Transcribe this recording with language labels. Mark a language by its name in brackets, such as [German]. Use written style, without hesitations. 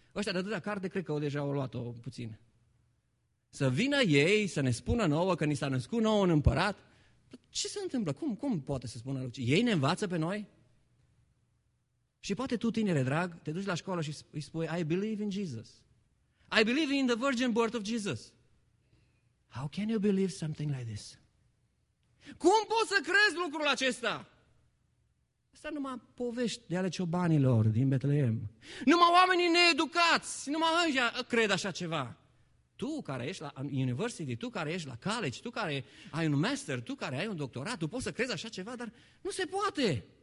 [Romanian] Ăștia de atâta carte, cred că deja au luat-o puțin. Să vină ei să ne spună nouă că ni s-a născut nouă un împărat. Ce se întâmplă? Cum poate să spună lucrurile? Ei ne învață pe noi? Și poate tu, tinere drag, te duci la școală și îi spui, [English] I believe in Jesus. I believe in the virgin birth of Jesus. How can you believe something like this? [Romanian] Cum poți să crezi lucrul acesta? Asta numai povești de ale ciobanilor din Betleem. Numai oamenii needucați, numai ăia cred așa ceva. Tu care ești la university, tu care ești la college, tu care ai un master, tu care ai un doctorat, tu poți să crezi așa ceva, dar nu se poate.